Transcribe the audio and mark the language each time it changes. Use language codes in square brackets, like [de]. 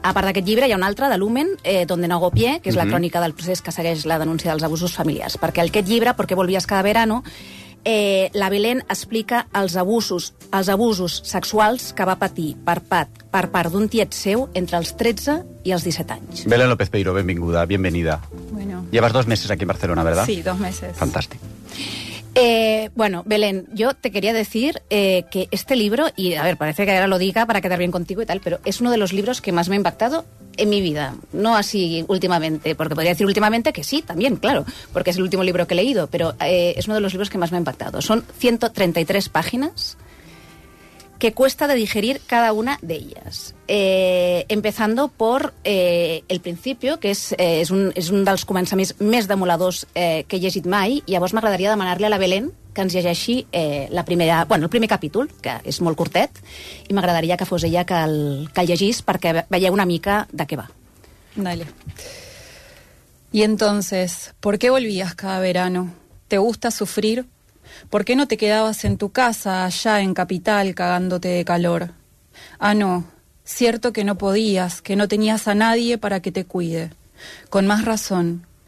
[ca] A part d'aquest llibre hi ha un altre, de Lumen, Donde no hago pie, que és la crònica del procés que segueix la denúncia dels abusos familiars. Perquè aquest llibre, Porque volvías cada verano, la Belén explica els abusos sexuals que va patir per part d'un tiet seu entre els 13 i els 17 anys. Belén López Peiro, benvinguda, [es] bienvenida. Llevas 2 meses aquí en Barcelona, ¿verdad? Sí, 2 meses. Fantástico. Bueno, Belén, yo te quería decir que este libro, y a ver, parece que ahora lo diga para quedar bien contigo y tal, pero es uno de los libros que más me ha impactado en mi vida. No así últimamente, porque podría decir últimamente que sí, también, claro, porque es el último libro que he leído, pero es uno de los libros que más me ha impactado. Son 133 páginas que cuesta de digerir cada una de ellas. Empezando por el principio, [ca] que és un dels començaments més demoladors que he llegit mai. Llavors m'agradaria demanar-li a la Belén que ens llegeixi el primer capítol, que és molt curtet, i m'agradaria que fos ella que el llegís perquè veieu una mica de què va. [es] Dale. Y entonces, ¿por qué volvías cada verano? ¿Te gusta sufrir? ¿Por qué no te quedabas en tu casa allá en Capital cagándote de calor? Ah, no. Cierto que no podías, que no tenías a nadie para que te cuide. Con más razón.